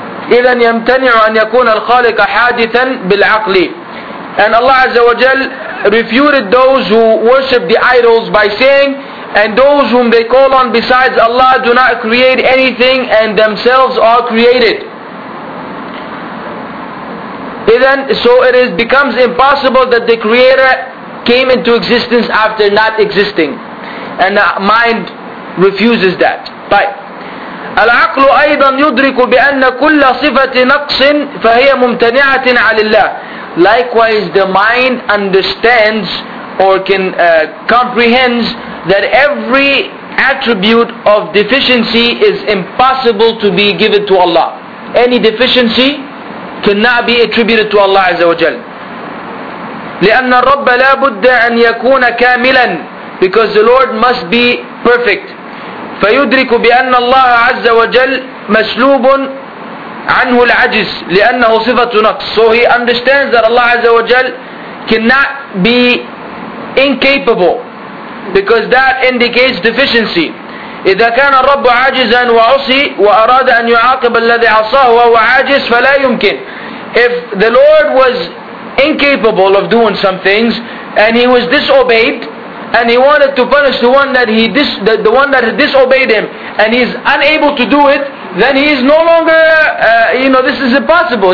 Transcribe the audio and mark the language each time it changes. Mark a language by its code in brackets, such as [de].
[ar] إذن يمتنع أن يكون الخالق حادثا بالعقل. [en] And Allah Azza wa Jal refuted those who worship the idols by saying, and those whom they call on besides Allah do not create anything and themselves are created. Then, so it is becomes impossible that the Creator came into existence after not existing. And the mind refuses that. [ar] طيب العقل أيضا يدرك بأن كل صفة نقص فهي ممتنعة عن الله. [en] Likewise, the mind understands or can comprehends that every attribute of deficiency is impossible to be given to Allah. Any deficiency cannot be attributed to Allah Azza wa Jal. [ar] لأن الرب لا بد أن يكون كاملا, [en] because the Lord must be perfect. [ar] فيدرك بأن الله عز وجل مسلوب عنه العجز لأنه صفة نقص. [en] So he understands that Allah عز وجل cannot be incapable, because that indicates deficiency. [ar] إذا كان الرب عاجزا وعصي وأراد أن يعاقب الذي عصاه وهو عاجز فلا يمكن. [en] If the Lord was incapable of doing some things and he was disobeyed, and he wanted to punish the one that disobeyed him, and he's unable to do it, then he is no longer, this is impossible.